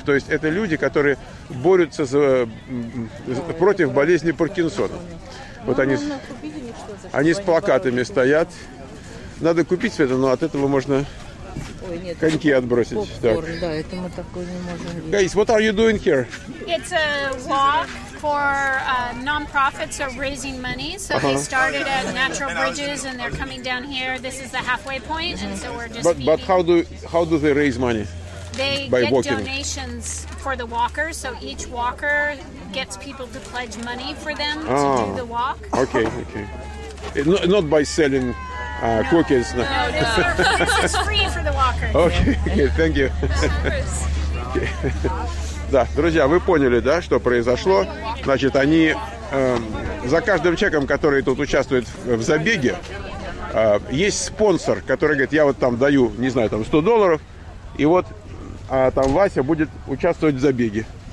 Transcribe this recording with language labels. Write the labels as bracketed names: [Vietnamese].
[Russian] То есть это люди, которые борются против болезни Паркинсона. Вот они с плакатами стоят. Надо купить это, но от этого можно коньки отбросить. Да, это мы такое не можем делать. [English] Guys, what are you doing here? It's a walk for non-profits are raising money. So they started at Natural Bridges and they're coming down here. This is the halfway point, and so we're just But how do they raise money? They get walking. Donations for the walkers. So each walker gets people to pledge money for them to do the walk. Okay. Not by selling cookies. No, it's free for the walkers. Okay, thank you. [Russian] Да, друзья, вы поняли, да, что произошло? Значит, они за каждым человеком, который тут участвует в забеге, есть спонсор, который говорит, я вот там даю, не знаю, там $100, и вот там Вася будет участвовать в забеге.